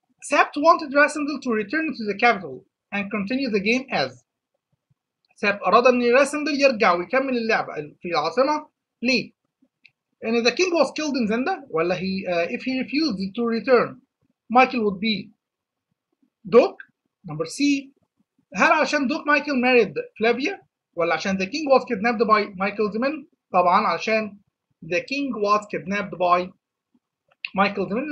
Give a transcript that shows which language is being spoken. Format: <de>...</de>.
<en>Sept wanted Rassendyll to return to the capital and continue the game as.</en> <ar>Sept أراد أن Rassendyll يرجع ويكمل اللعبة في العاصمة. ليه؟</ar> <en>And if the king was killed in Zenda, well, he, if he refused to return, Michael would be Duke. Number C.</en> <ar>هل عشان</ar> <en>Duke Michael married Flavia؟</en> <ar>ولا عشان</ar> <en>the king was kidnapped by Michael's men؟</en> <ar>طبعا عشان</ar> <en>the king was kidnapped by Michael's men.</en>